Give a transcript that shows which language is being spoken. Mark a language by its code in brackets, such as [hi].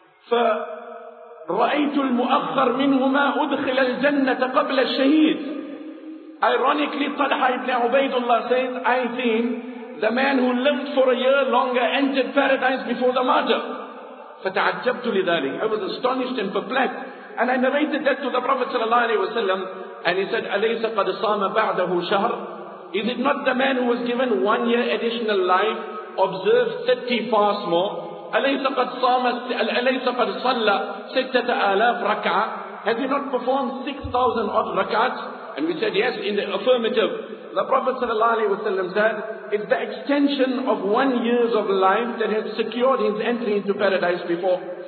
[ar] فَرَأَيْتُ الْمُؤَخَّرْ مِنْهُمَا أُدْخِلَ الْجَنَّةَ قَبْلَ الشَّهِيدِ. [en] Ironically, Talha ibn Ubaidullah says, I think the man who lived for a year longer entered paradise before the martyr. [ar] فَتَعَجَّبْتُ لِذَلِكَ. [en] I was astonished and perplexed. And I narrated that to the Prophet sallallahu alayhi wa sallam. And he said, [ar] أَلَيْسَ قَدْ صَامَ بَعْدَهُ شَهْرٌ. [en] Is it not the man who was given 1 year additional life, observed 30 fasts more? [ar] أَلَيْسَ قَدْ صَامَ أَلَيْسَ قَدْ صَلَّ سِتَّةَ آلَافْ رَكْعَ. [en] Has he not performed 6,000 odd rak'ats? And we said, yes, in the affirmative. The Prophet ﷺ said, it's the extension of 1 year of life that has secured his entry into paradise before.